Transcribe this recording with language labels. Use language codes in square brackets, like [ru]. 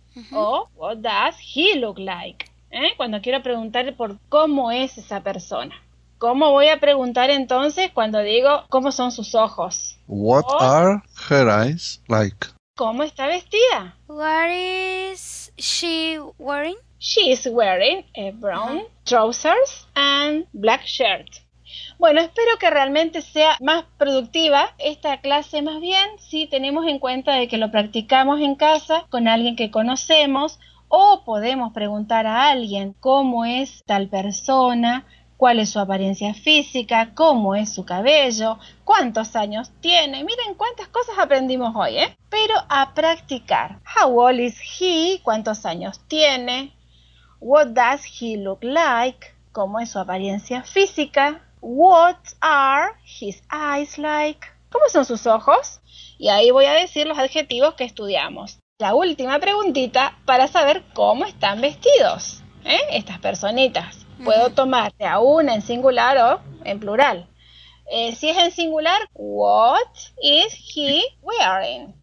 [en] Uh-huh. O what does he look like? [es] Cuando quiero preguntar por cómo es esa persona. ¿Cómo voy a preguntar entonces cuando digo cómo son sus ojos? [en] What are her eyes like? [es] ¿Cómo está vestida? [en] What is she wearing? She is wearing a brown trousers and black shirt. [es] Bueno, espero que realmente sea más productiva esta clase, más bien si tenemos en cuenta de que lo practicamos en casa con alguien que conocemos, o podemos preguntar a alguien cómo es tal persona, cuál es su apariencia física, cómo es su cabello, cuántos años tiene. Miren cuántas cosas aprendimos hoy, ¿eh? Pero a practicar. [en] How old is he? [es] ¿Cuántos años tiene? [en] What does he look like? [es] ¿Cómo es su apariencia física? [en] What are his eyes like? [es] ¿Cómo son sus ojos? Y ahí voy a decir los adjetivos que estudiamos. La última preguntita para saber cómo están vestidos, ¿eh? Estas personitas. Puedo tomar de a una en singular o en plural. Si es en singular, [en] what is he wearing?